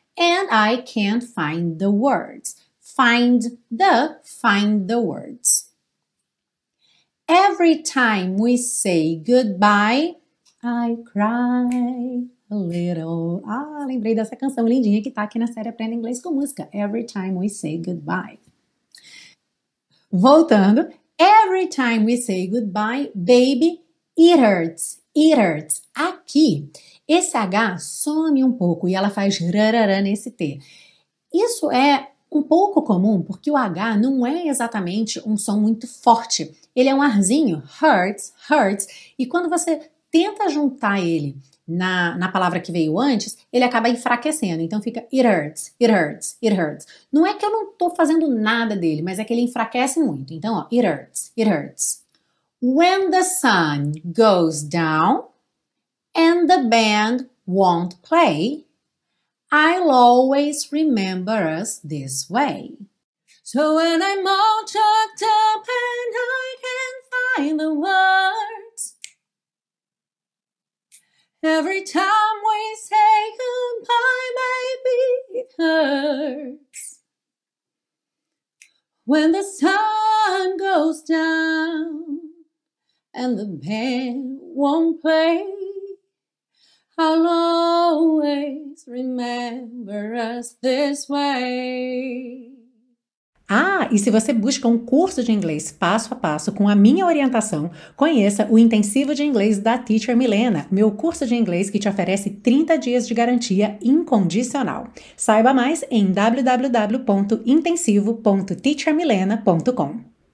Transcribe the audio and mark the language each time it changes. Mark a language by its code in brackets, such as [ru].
[en] And I can't find the words. Find the words. Every time we say goodbye, I cry. A little. [pt] Ah, lembrei dessa canção lindinha que tá aqui na série Aprenda Inglês com Música. [en] Every time we say goodbye. [pt] Voltando. [en] Every time we say goodbye, baby, it hurts. It hurts. [pt] Aqui, esse H some um pouco e ela faz rarará nesse T. Isso é um pouco comum porque o H não é exatamente um som muito forte. Ele é um arzinho. [en] Hurts, hurts. [pt] E quando você tenta juntar ele na palavra que veio antes, ele acaba enfraquecendo. Então fica [en] it hurts, it hurts, it hurts. [pt] Não é que eu não estou fazendo nada dele, mas é que ele enfraquece muito. Então, ó, [en] it hurts, it hurts. When the sun goes down and the band won't play, I'll always remember us this way. So when I'm all choked up and I can't find the words, every time we say goodbye, baby, it hurts. When the sun goes down and the band won't play, I'll always remember us this way. [pt] Ah, e se você busca um curso de inglês passo a passo com a minha orientação, conheça o Intensivo de Inglês da Teacher Milena, meu curso de inglês que te oferece 30 dias de garantia incondicional. Saiba mais em www.intensivo.teachermilena.com.